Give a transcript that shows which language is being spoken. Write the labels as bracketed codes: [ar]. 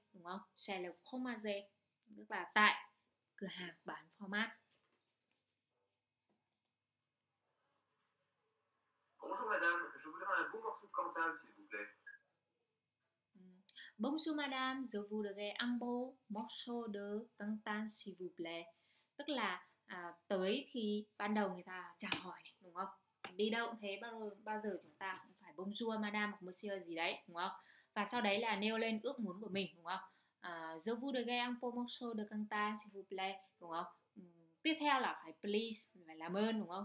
[fr] C'est le fromager, [vi] đúng không? C'est le fromager, tức là tại cửa hàng bán format. [fr] Bonjour madame, je voudrais un beau morceau de cantal, s'il vous plaît. Bonjour madame, je voudrais un beau morceau de cantal, s'il vous plaît. [vi] Tức là tới thì ban đầu người ta chào hỏi này, đúng không? Đi đâu cũng thế, bao giờ chúng ta cũng phải [fr] bonjour madame [vi] hoặc monsieur gì đấy, đúng không? Và sau đấy là nêu lên ước muốn của mình, đúng không? [fr] Je voudrais un beau morceau de cantal, s'il vous plaît, [vi] đúng không? Tiếp theo là phải please, phải làm ơn, đúng không?